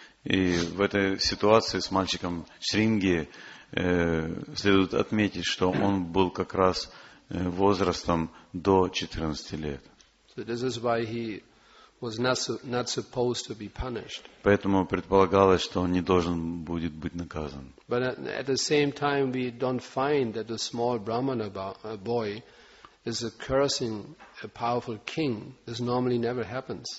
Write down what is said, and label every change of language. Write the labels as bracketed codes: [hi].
[ru] И в этой ситуации с мальчиком Шринги следует отметить, что он был как раз возрастом до 14 лет. [en] So this is why he was not supposed to be punished. [ru] Поэтому предполагалось, что он не должен будет быть наказан. [en] But at the same time, we don't find that a small brahmana boy is cursing a powerful king. This normally never happens.